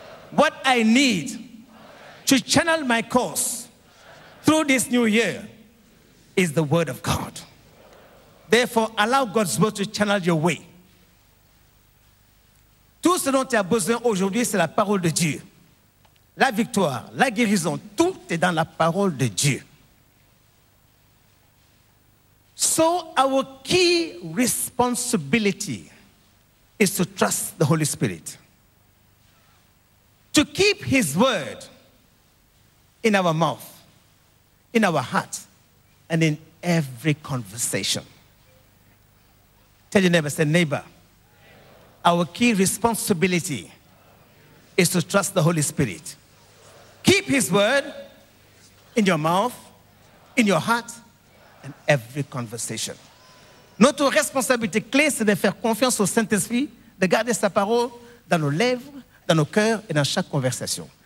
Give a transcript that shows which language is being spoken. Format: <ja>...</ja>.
<en>What I need to channel my course through this new year is the Word of God. Therefore, allow God's Word to channel your way.</en> <fr>Tout ce dont tu as besoin aujourd'hui, c'est la parole de Dieu. La victoire, la guérison, tout est dans la parole de Dieu.</fr> <en>So our key responsibility is to trust the Holy Spirit. To keep His Word in our mouth, in our heart, and in every conversation. Tell your neighbor, say, neighbor, our key responsibility is to trust the Holy Spirit. Keep His Word in your mouth, in your heart, and every conversation.</en> <fr>Notre responsabilité clé, c'est de faire confiance au Saint-Esprit, de garder sa parole dans nos lèvres, dans nos cœurs, et dans chaque conversation.</fr>